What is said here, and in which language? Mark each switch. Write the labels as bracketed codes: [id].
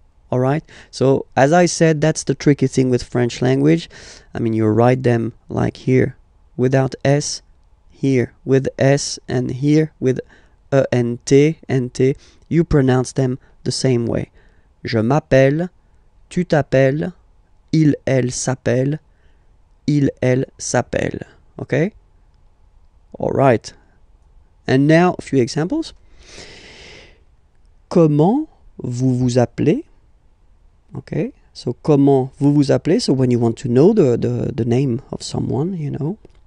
[en] All right, so as I said, that's the tricky thing with French language. I mean, you write them like here, without S, here with S, and here with E, N-T, you pronounce them the same way. [fr] Je m'appelle, tu t'appelles, il, elle s'appelle, il, elle s'appelle. [en] Okay? All right. And now a few examples. [fr] Comment vous vous appelez? [en] Okay. [fr] So comment vous vous appelez? [en] So when you want to know the name of someone, you know.